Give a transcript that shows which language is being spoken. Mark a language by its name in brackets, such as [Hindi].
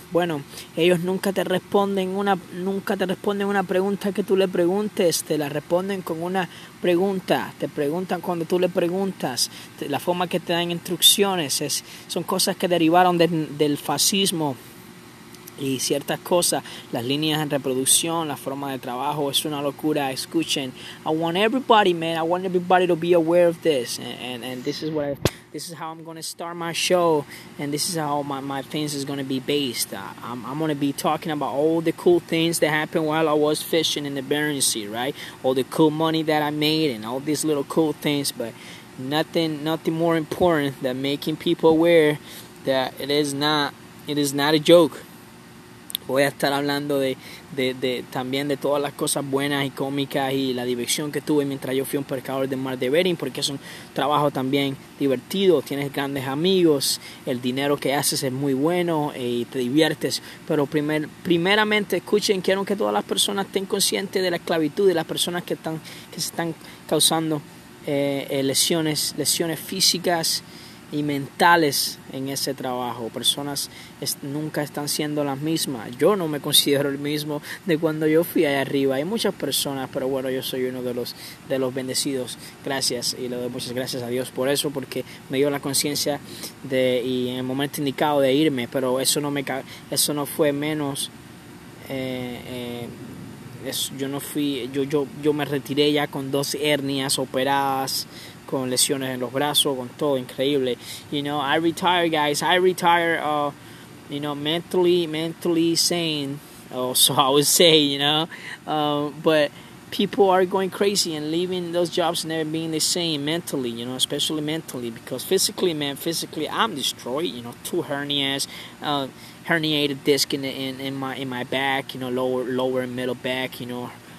[Spanish] Bueno, ellos nunca te responden una pregunta que tú le preguntes, te la responden con una pregunta, te preguntan cuando tú le preguntas, la forma que te dan instrucciones, son cosas que derivaron del fascismo y ciertas cosas, las líneas de reproducción, la forma de trabajo, es una locura. Escuchen, [English] I want everybody, man, I want everybody to be aware of this, and this is what this is how I'm going to start my show, and this is how my things is going to be based. I'm going to be talking about all the cool things that happened while I was fishing in the Bering Sea, right? All the cool money that I made and all these little cool things, but nothing more important than making people aware that it is not a joke. [Spanish] Voy a estar hablando de también de todas las cosas buenas y cómicas y la diversión que tuve mientras yo fui un pescador del mar de Bering, porque es un trabajo también divertido, tienes grandes amigos, el dinero que haces es muy bueno y te diviertes. Pero primeramente, escuchen, quiero que todas las personas estén conscientes de la esclavitud de las personas que se están causando lesiones físicas y mentales en ese trabajo. Personas nunca están siendo las mismas. Yo no me considero el mismo de cuando yo fui allá arriba. Hay muchas personas, pero bueno, yo soy uno de los bendecidos. Gracias, y le doy muchas gracias a Dios por eso, porque me dio la conciencia y en el momento indicado de irme. Pero eso no fue menos. Yo me retiré ya con dos hernias operadas, con lesiones en los brazos, con todo, increíble. [English] You know, I retire, guys. I retire, mentally sane, so I would say, you know. But people are going crazy and leaving those jobs never being the same mentally, you know, especially mentally. Because physically, I'm destroyed, you know, two hernias, herniated disc in my back, you know, lower middle back, you know.